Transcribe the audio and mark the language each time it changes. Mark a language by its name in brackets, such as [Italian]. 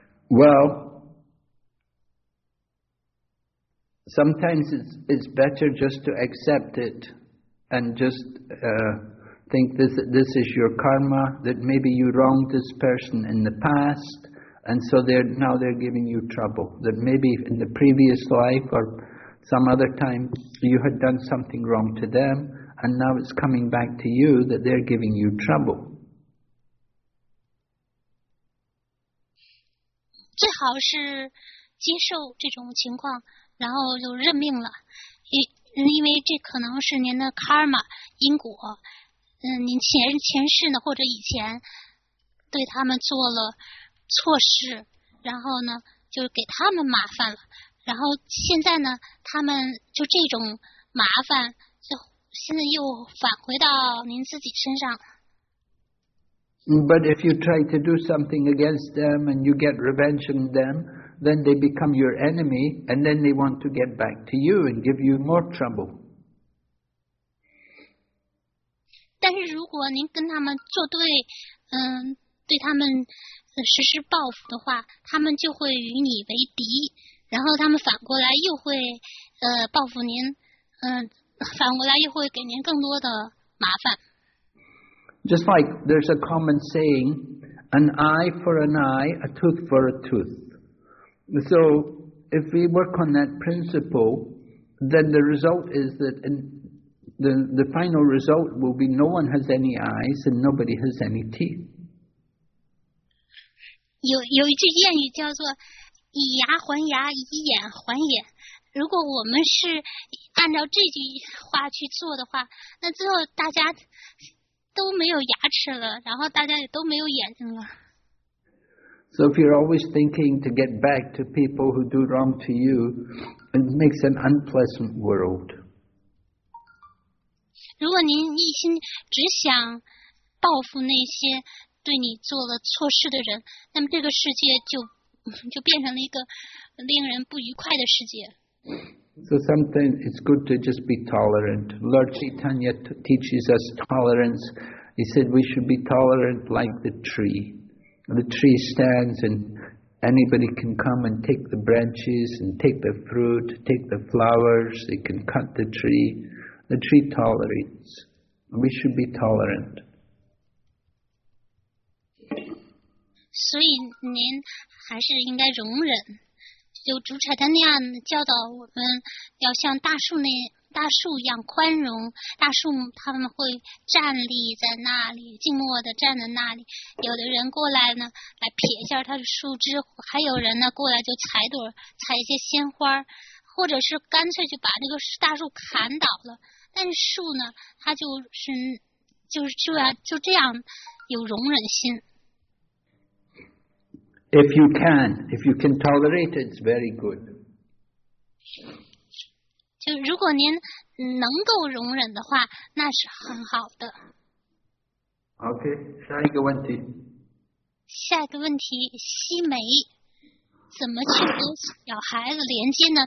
[English] Well, sometimes it's better just to accept it and just think this is your karma, that maybe you wronged this person in the past, and so now they're giving you trouble. That maybe in the previous life or some other time you had done something wrong to them, and now it's coming back to you that they're giving you trouble. [Chinese] 最好是接受这种情况，然后就认命了，因为这可能是您的 karma 因果，您前世呢或者以前对他们做了错事，然后呢就给他们麻烦了，然后现在呢他们就这种麻烦就现在又返回到您自己身上。 [English] But if you try to do something against them and you get revenge on them, then they become your enemy and then they want to get back to you and give you more trouble. [Chinese] 但是如果您跟他们作对，对他们实施报复的话，他们就会与你为敌，然后他们反过来又会报复您，反过来又会给您更多的麻烦。 [English] Just like there's a common saying, an eye for an eye, a tooth for a tooth. So if we work on that principle, then the result is that in the final result will be no one has any eyes and nobody has any teeth. [Chinese] 有一句谚语叫做以牙还牙，以眼还眼。如果我们是按照这句话去做的话，那最后大家都没有牙齿了，然后大家也都没有眼睛了。 [English] So if you're always thinking to get back to people who do wrong to you, it makes an unpleasant world. [Chinese] 如果您一心只想报复那些对你做了错事的人，那么这个世界就变成了一个令人不愉快的世界。 [English] So sometimes it's good to just be tolerant. Lord Chaitanya teaches us tolerance. He said we should be tolerant like the tree. The tree stands and anybody can come and take the branches and take the fruit, take the flowers, they can cut the tree. The tree tolerates. We should be tolerant. [Chinese] 所以您还是应该容忍。就主柴丹那样教导我们要像大树一样宽容，大树他们会站立在那里，静默地站在那里，有的人过来呢来撇一下他的树枝，还有人呢过来就采一些鲜花，或者是干脆就把这个大树砍倒了，但是树呢它就这样有容忍心。 [English] If you can tolerate it, it's very good. [Chinese] 就如果您能够容忍的话，那是很好的。 Okay, 下一个问题。下一个问题，西梅，怎么去和小孩子连接呢？